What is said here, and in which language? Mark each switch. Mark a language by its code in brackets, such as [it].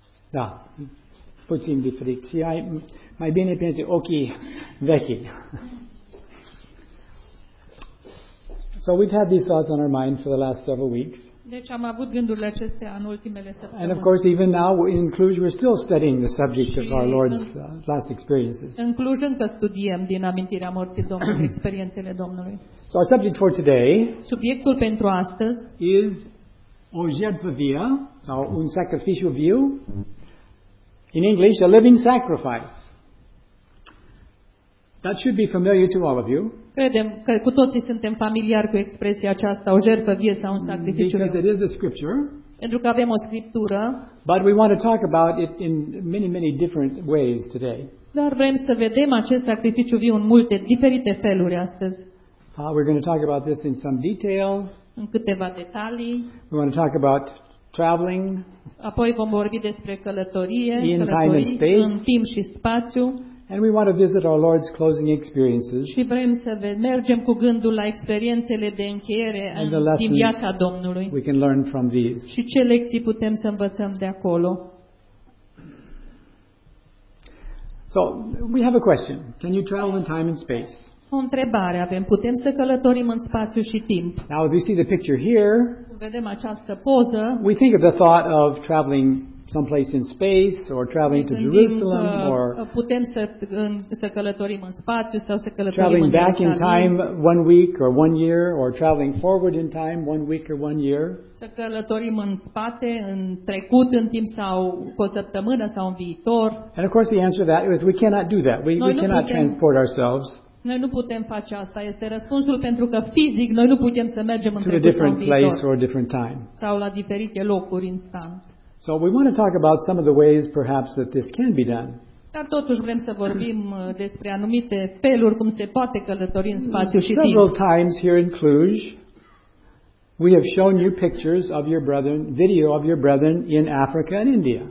[ro] Da, puțin diferit. Și ai mai bine pentru ochii vechi. [en] So we've had these thoughts on our mind for the last several weeks. [ro] Deci am avut gândurile acestea în ultimele săptămâni. [en] And of course, even now in Cluj, we're still studying the subject of our Lord's last experiences. [ro] În Cluj încă studiem din amintirea morții Domnului, experiențele Domnului. [en] So our subject for today. [ro] Subiectul pentru astăzi. Is o jertfă vie sau un sacrificiu viu. [en] In English, a living sacrifice. That should be familiar to all of you. [ro] Credem că cu toții suntem familiari cu expresia aceasta, o jertfă vie sau un sacrificiu. [en] Because it is a scripture. [ro] Pentru că avem o scriptură. [en] But we want to talk about it in many, many different ways today. [ro] Dar vrem să vedem acest sacrificiu viu în multe diferite feluri astăzi. [en] We're going to talk about this in some detail. [ro] În câteva detalii. [en] We want to talk about traveling. [ro] Apoi vom vorbi despre călătorie, [en] in time and space. [ro] În timp și spațiu. [en] And we want to visit our Lord's closing experiences. [ro] Și vrem să mergem cu gândul la experiențele de încheiere în viața Domnului. [en] We can learn from these. [ro] Și ce lecții putem să învățăm de acolo? [en] So, we have a question. Can you travel in time and space? [ro] O întrebare avem. Putem să călătorim în spațiu și timp? [en] Now, as we see the picture here, [ro] vedem această poză. [en] We think of the thought of traveling someplace in space or traveling to Jerusalem or [ro] putem să călătorim în spațiu sau să călătorim în Jerusalem. [en] Traveling back in time 1 week or 1 year or traveling forward in time 1 week or 1 year. [ro] Să călătorim în spate, în trecut, în timp sau cu o săptămână sau în viitor. [en] And of course the answer to that is we cannot do that. We cannot transport ourselves. [ro] Noi nu putem face asta. Este răspunsul pentru că fizic noi nu putem să mergem în trecut sau în viitor. [en] To a different place or a different time. [ro] Sau la diferite locuri instant. [en] So we want to talk about some of the ways perhaps that this can be done. [ro] Dar totuși vrem să vorbim despre anumite feluri cum se poate călători în spațiu și timp. [en] Several times here in Cluj, we have shown you pictures of your brethren, video of your brethren in Africa and India.